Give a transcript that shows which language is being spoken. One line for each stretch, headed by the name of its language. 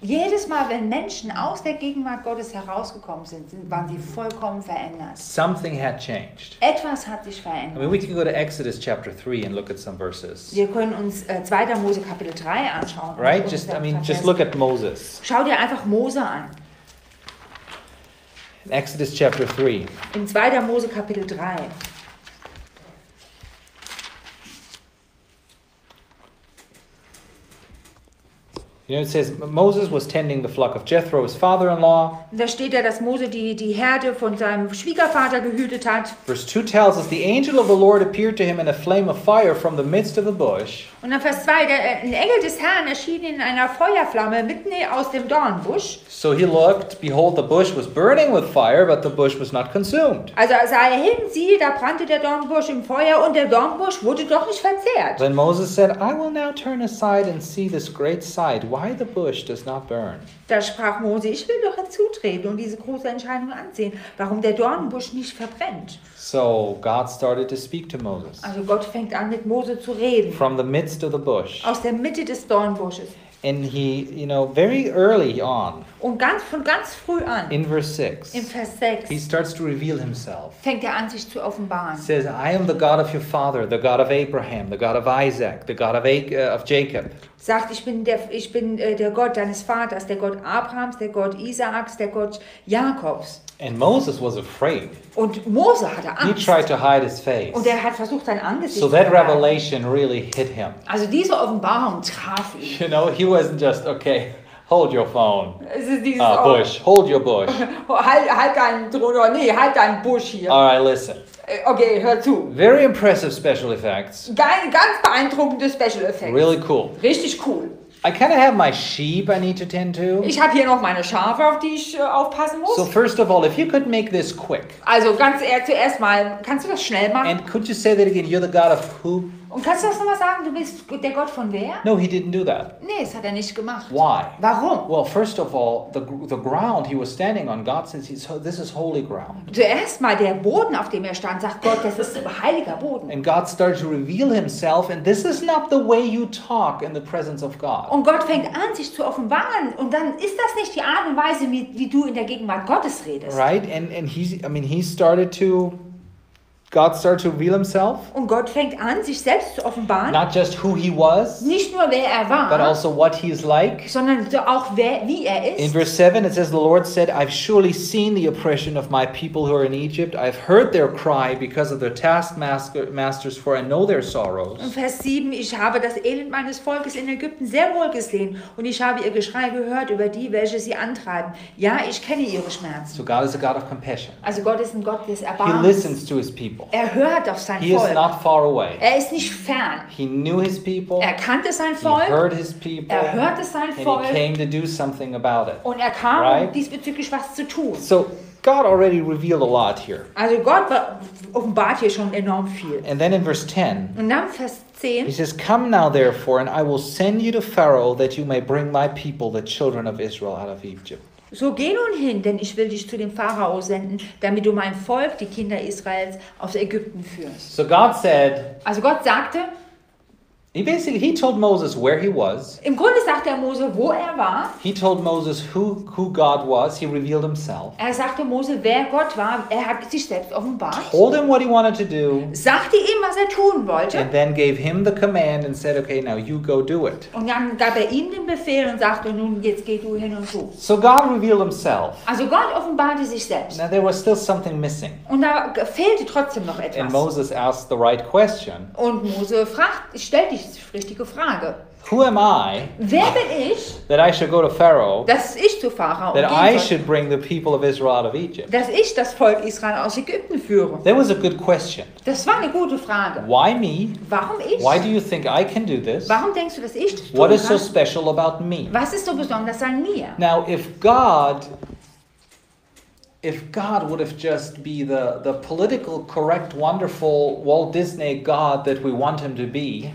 German: Jedes Mal, wenn Menschen aus der Gegenwart Gottes herausgekommen sind, waren sie vollkommen verändert.
English: Something had changed.
German: Etwas hat sich verändert.
English: I mean, we can go to Exodus chapter 3 and look at some verses.
German: Wir können uns 2. Mose Kapitel 3 anschauen.
English: Right? Just look at Moses.
German: Schau dir einfach Mose an.
English: Exodus chapter 3.
German: In 2. Mose Kapitel 3.
English: You know, it says Moses was tending the flock of Jethro, his father-in-law.
German: Da steht ja, dass Mose die Herde von seinem Schwiegervater gehütet hat.
English: Verse 2 tells us the angel of the Lord appeared to him in a flame of fire from the midst of the bush.
German: Und dann Vers 2, ein Engel des Herrn erschien in einer Feuerflamme mitten aus dem Dornbusch.
English: So he looked, behold, the bush was burning with fire, but the bush was not consumed.
German: Also sah er hin, siehe, da brannte der Dornbusch im Feuer und der Dornbusch wurde doch nicht verzehrt.
English: Then Moses said, I will now turn aside and see this great sight. Why the bush does not burn?
German: Da sprach Mose, ich will doch hinzutreten und diese große Entscheidung ansehen, warum der Dornbusch nicht verbrennt.
English: So God started to speak to Moses.
German: Also Gott fängt an mit Mose zu reden.
English: From the midst of the bush.
German: Aus der Mitte des Dornbusches.
English: And he, you know, very early on.
German: Und ganz früh an.
English: In verse 6.
German: In Vers 6.
English: He starts to reveal himself.
German: Fängt an sich zu offenbaren.
English: Says, I am the God of your father, the God of Abraham, the God of Isaac, the God of Jacob.
German: sagt, ich bin der Gott deines Vaters, der Gott Abrahams, der Gott Isaaks, der Gott Jakobs.
English: And Moses was afraid.
German: Und Mose hatte Angst.
English: He tried to hide his face.
German: Und er hat versucht, sein Angesicht
English: so that revelation really hit him.
German: Also diese Offenbarung traf ihn.
English: You know, he wasn't just okay. Hold your phone. Bush. Hold your bush.
German: halt dein Drohne. Nee, halt dein Busch hier.
English: All right, listen.
German: Okay, hör zu.
English: Very impressive special effects.
German: Ganz beeindruckende
English: special effects. Really cool.
German: Richtig cool.
English: I kind of have my sheep I need to tend to.
German: Ich habe hier noch meine Schafe, auf die ich aufpassen muss.
English: So first of all, if you could make this quick.
German: Also ganz ehrlich, zuerst mal, kannst du das schnell machen?
English: And could you say that again? You're the God of who?
German: Und kannst du das nochmal sagen? Du bist der Gott von wer?
English: No, he didn't do that.
German: Nee, das hat er nicht gemacht.
English: Why?
German: Warum?
English: Well, first of all, the ground he was standing on, God says, this is holy ground.
German: Zuerst mal der Boden, auf dem er stand, sagt Gott, das ist heiliger Boden.
English: And God starts to reveal himself, and this is not the way you talk in the presence of God.
German: Und Gott fängt an, sich zu offenbaren, und dann ist das nicht die Art und Weise, wie du in der Gegenwart Gottes redest.
English: Right, and he started to... God starts to reveal himself.
German: Und Gott fängt an, sich selbst zu offenbaren.
English: Not just who he was.
German: Nicht nur wer er war.
English: But also what he is like.
German: Sondern auch wie er ist.
English: In verse 7 it says, the Lord said, I've surely seen the oppression of my people who are in Egypt. I've heard their cry because of their taskmasters, for I know their sorrows.
German: In Vers 7, ich habe das Elend meines Volkes in Ägypten sehr wohl gesehen. Und ich habe ihr Geschrei gehört über die, welche sie antreiben. Ja, ich kenne ihre Schmerzen.
English: So God is a God of compassion.
German: Also Gott ist ein Gott des Erbarmens.
English: He listens to his people.
German: Er hört auf sein
English: he
German: Volk.
English: Is not far away.
German: Er ist nicht fern.
English: He knew his people.
German: Er kannte sein Volk.
English: He heard his people.
German: Er hörte sein
English: and
German: Volk.
English: He came to do something about it.
German: Und er kam, right? Diesbezüglich was zu tun.
English: So God already revealed a lot here.
German: Also Gott offenbart hier schon enorm viel.
English: And then in verse 10.
German: Und dann Vers 10.
English: He says, come now therefore, and I will send you to Pharaoh, that you may bring my people, the children of Israel, out of Egypt.
German: So geh nun hin, denn ich will dich zu dem Pharao senden, damit du mein Volk, die Kinder Israels, aus Ägypten führst.
English: So God said,
German: also Gott sagte,
English: he basically he told Moses where he was.
German: Im Grunde sagte er Mose, wo er war.
English: He told Moses who God was. He revealed himself.
German: Er sagte Mose, wer Gott war. Er hat sich selbst offenbart.
English: Told him what he wanted to do.
German: Sagte ihm, was er tun wollte.
English: And then gave him the command and said, okay, now you go do it.
German: Und dann gab er ihm den Befehl und sagte, nun jetzt geh du hin und tu.
English: So God revealed himself.
German: Also Gott offenbarte sich selbst.
English: Now there was still something missing.
German: Und da fehlte trotzdem noch etwas.
English: And Moses asked the right question.
German: Und Mose fragt, stellt dich richtige Frage.
English: Who am I?
German: Wer bin ich?
English: That I should go to Pharaoh.
German: Dass ich zu Pharao gehe.
English: That I should bring the people of Israel out of Egypt.
German: Dass ich das Volk Israel aus Ägypten führe.
English: That was a good question.
German: Das war eine gute Frage.
English: Why me?
German: Warum ich?
English: Why do you think I can do this?
German: Warum denkst du, dass ich das tun
English: What is
German: kann?
English: So special about me?
German: Was ist so besonders an mir?
English: Now, if God would have just be the political correct wonderful Walt Disney God that we want him to be.